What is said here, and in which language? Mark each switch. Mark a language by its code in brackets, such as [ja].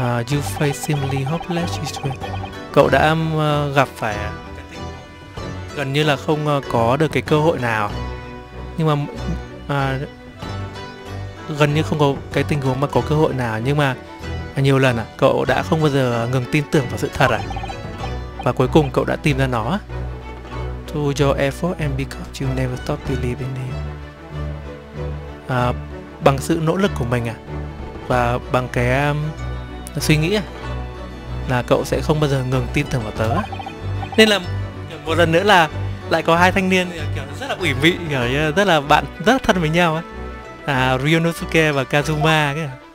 [en] You face simply hopeless situation. [vi] Cậu đã gặp phải gần như là không có được cái cơ hội nào. Nhưng mà gần như không có cái tình huống mà có cơ hội nào. Nhưng mà nhiều lần cậu đã không bao giờ ngừng tin tưởng vào sự thật à? Và cuối cùng cậu đã tìm ra nó. [en] To your effort and because you never stop believing in it. [vi] Bằng sự nỗ lực của mình và bằng cái suy nghĩ là cậu sẽ không bao giờ ngừng tin tưởng vào tớ. Nên là một lần nữa là lại có hai thanh niên kiểu rất là ủy mị, kiểu rất là bạn, rất là thân với nhau à, Ryunosuke và Kazuma cái.